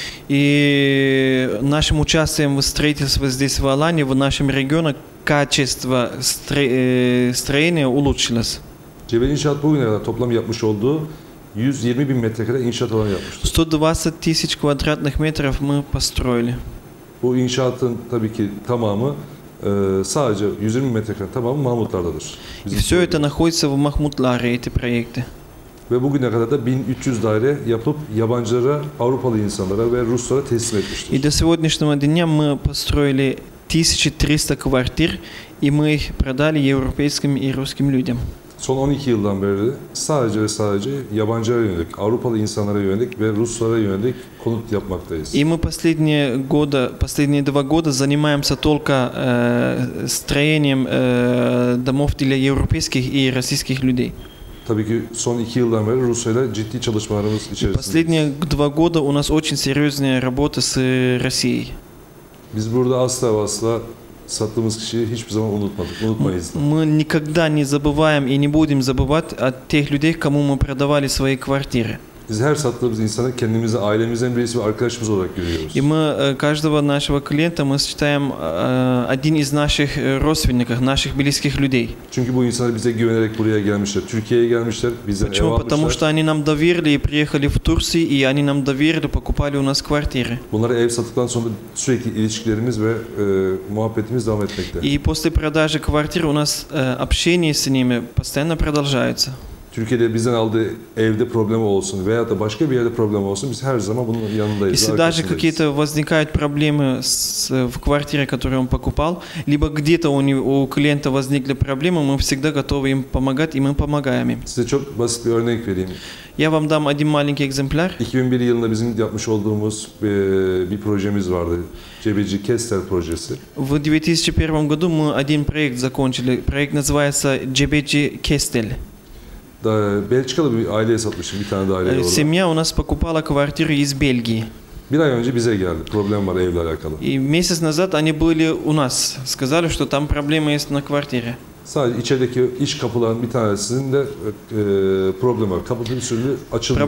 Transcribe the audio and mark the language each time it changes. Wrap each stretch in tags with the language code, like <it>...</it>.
<ru>И нашим участием в строительстве здесь в Алане, в нашем регионе, качество строения улучшилось.</ru> <tr>Cebeci İnşaat bugüne kadar toplam yapmış olduğu 120 bin metrekare inşaat alanı yapmıştır.</tr> <ru>120 тысяч квадратных метров мы построили.</ru> <tr>Bu inşaatın tabii ki tamamı sadece 120 metrekare tamamı Mahmutlar'dadır.</tr> <ru>И все это находится в Махмутларе, эти проекты.</ru> <tr>ve bugüne kadar da 1300 daire yapıp yabancılara, Avrupalı insanlara ve Ruslara teslim etmiştir.</tr> <ru>И до сегодняшнего дня мы построили 1300 квартир и мы их продали европейским и русским людям.</ru> <tr>Son 12 yıldan beri sadece ve sadece yabancılara yönelik, Avrupalı insanlara yönelik ve Ruslara yönelik konut yapmaktayız.</tr> <ru>И мы последние года, последние 2 года занимаемся только строением домов для европейских и российских людей.</ru> <tr>Tabii ki son 2 yıldan beri Rusya'yla ciddi çalışmalarımız içerisinde.</tr> <ru>Последние 2 года у нас очень серьёзная работа с Россией.</ru> <tr>Biz burada asla ve asla sattığımız kişiyi hiçbir zaman unutmadık. Unutmayız.</tr> <ru>Мы никогда не забываем и не будем забывать о тех людях, кому мы продавали свои квартиры.</ru> <tr>Biz her sattığımız insanı kendimize, ailemizden birisi ve arkadaşımız olarak görüyoruz.</tr> <ru>И мы каждого нашего клиента мы считаем один из наших родственников, наших близких людей.</ru> <tr>Çünkü bu insanlar bize güvenerek buraya gelmişler, Türkiye'ye gelmişler, bizden ev almışlar.</tr> <ru>Потому что они нам доверили и приехали в Турцию и они нам доверили, покупали у нас квартиры.</ru> <tr>Bunları ev sattıktan sonra sürekli ilişkilerimiz ve muhabbetimiz devam etmekte.</tr> <ru>И после продажи квартир у нас общение с ними постоянно продолжается.</ru> <tr>Türkiye'de bizden aldığı evde problem olsun veya da başka bir yerde problem olsun biz her zaman bunun yanındayız.</tr> <ru>Если даже какие-то возникают проблемы в квартире, которую он покупал, либо где-то у клиента возникли проблемы, мы всегда готовы им помогать и мы помогаем им.</ru> <tr>Size çok basit bir örnek vereyim.</tr> <ru>Я вам дам один маленький экземпляр.</ru> <tr>2001 yılında bizim yapmış olduğumuz bir projemiz vardı. Cebeci Kestel projesi.</tr> <ru>В 2001 году мы один проект закончили. Проект называется Cebeci Kestel.</ru> <tr>Belçikalı bir aileye satmıştım bir tane daire.</tr> <ru>Семья у нас покупала квартиру из Бельгии.</ru> <tr>Bir ay önce bize geldi. Problem var evle alakalı.</tr> <ru>И месяц назад они были у нас. Сказали, что там проблема есть на квартире.</ru> <tr>Sadece içerideki iç kapıların bir tanesinin de problem var. Kapı bir türlü açılmıyor.</tr>